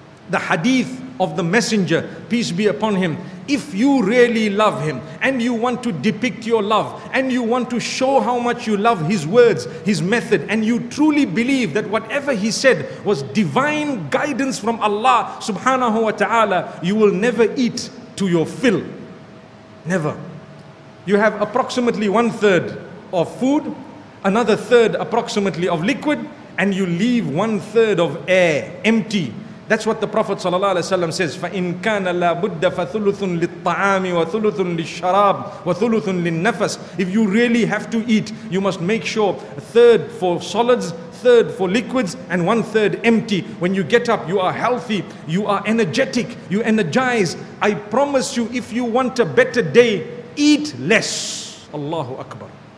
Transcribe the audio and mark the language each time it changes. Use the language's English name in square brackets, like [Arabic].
[English] The hadith of the messenger, peace be upon him, if you really love him and you want to depict your love and you want to show how much you love his words, his method, and you truly believe that whatever he said was divine guidance from Allah subhanahu wa ta'ala, you will never eat to your fill. Never. You have approximately 1/3 of food, another 1/3 approximately of liquid, and you leave 1/3 of air empty. That's what the Prophet sallallahu alaihi wasallam says, [Arabic] فَإِنْ كَانَ لَا بُدَّ فَثُلُثٌ لِلطَّعَامِ وَثُلُثٌ لِلشَّرَابِ وَثُلُثٌ لِلنَّفَسِ. [English] If you really have to eat, you must make sure 1/3 for solids, 1/3 for liquids, and 1/3 empty. When you get up, you are healthy, you are energetic, you energize. I promise you, if you want a better day, eat less. Allahu Akbar.